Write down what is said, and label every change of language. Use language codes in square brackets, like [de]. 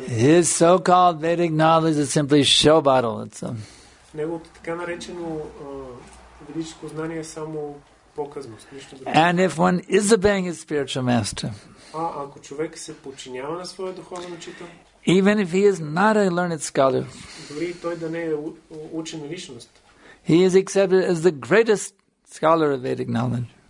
[en] His so-called Vedic knowledge is simply showbottle. [bg] Неговото така наречено ведическо знание е само показност, нищо друго. [en] And if one is obeying his spiritual master, [bg] а ако човек се подчинява на своя духовен учител, [en] even if he is not a learned scholar, [bg] дори той да не е учен личност, [en] he is accepted as the greatest scholar of Vedic knowledge.